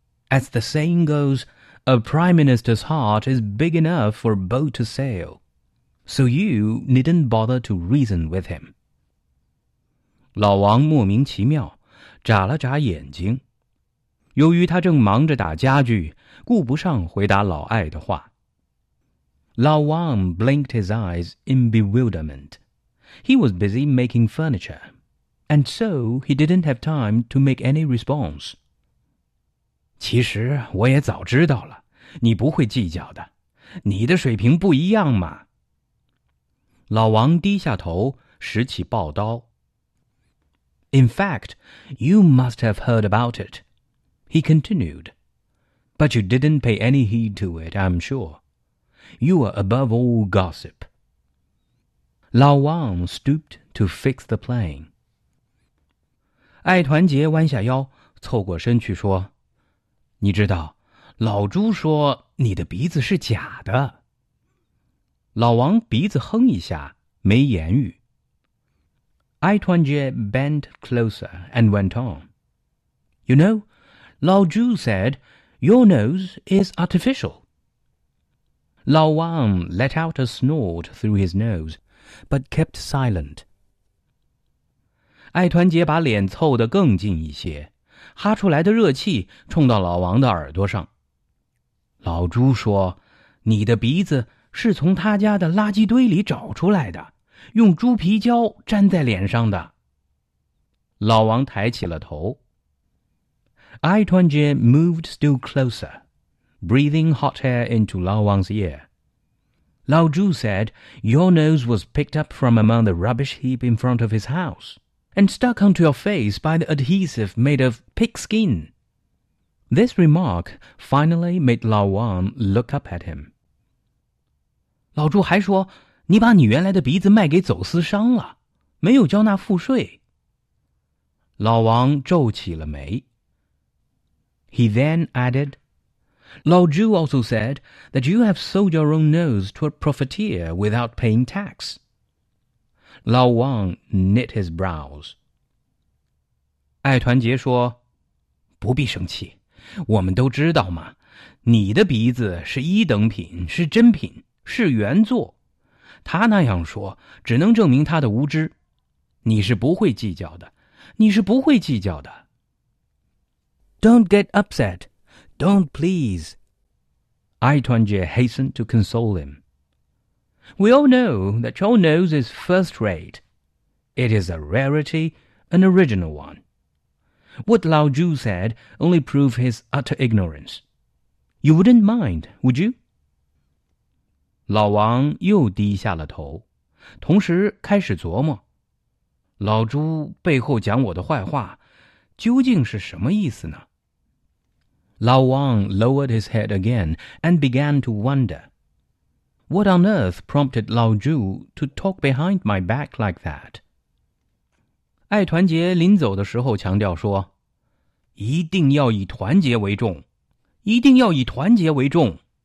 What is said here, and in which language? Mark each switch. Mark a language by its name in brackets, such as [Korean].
[English] As the saying goes, a prime minister's heart is big enough for a boat to sail, so you needn't bother to reason with him. [Chinese] 老王莫名其妙眨了眨眼睛，由于他正忙着打家具，顾不上回答老爱的话。 [English] Lao Wang blinked his eyes in bewilderment. He was busy making furniture, and so he didn't have time to make any response. [Chinese] 其实我也早知道了，你不会计较的，你的水平不一样嘛。老王低下头，拾起刨刀。 [English] In fact, you must have heard about it, he continued. But you didn't pay any heed to it, I'm sure. You are above all gossip. Lao Wang stooped to fix the plane. [Chinese] 爱团结弯下腰，凑过身去说，你知道，老朱说你的鼻子是假的。老王鼻子哼一下，没言语。 [English] 爱团结 bent closer and went on. You know, Lao Zhu said, your nose is artificial. Lao Wang let out a snort through his nose, but kept silent. [Chinese] 爱团结把脸凑得更近一些，哈出来的热气冲到老王的耳朵上。老朱说，你的鼻子是从他家的垃圾堆里找出来的，用猪皮胶粘在脸上的。老王抬起了头。 [English] 爱团结 moved still closer. Breathing hot air into Lao Wang's ear. Lao Zhu said, your nose was picked up from among the rubbish heap in front of his house and stuck onto your face by the adhesive made of pig skin. This remark finally made Lao Wang look up at him. [Chinese] 老朱还说，你把你原来的鼻子卖给走私商了，没有交纳赋税。老王皱起了眉。 [English] He then added,Lao Zhu also said that you have sold your own nose to a profiteer without paying tax. Lao Wang knit his brows. [Chinese] 爱团结说，不必生气，我们都知道嘛，你的鼻子是一等品，是真品，是原作。他那样说，只能证明他的无知。你是不会计较的，你是不会计较的。 [English] Don't get upset. Don't please. Ai Tuanjie hastened to console him. We all know that your nose is first rate. It is a rarity, an original one. What Lao Zhu said only proved his utter ignorance. You wouldn't mind, would you? [Chinese] 老王又低下了头，同时开始琢磨，老朱背后讲我的坏话，究竟是什么意思呢？ [English] Lao Wang lowered his head again and began to wonder. What on earth prompted Lao Zhu to talk behind my back like that? [Chinese] 爱团结临走的时候强调说，一定要以团结为重，一定要以团结为重。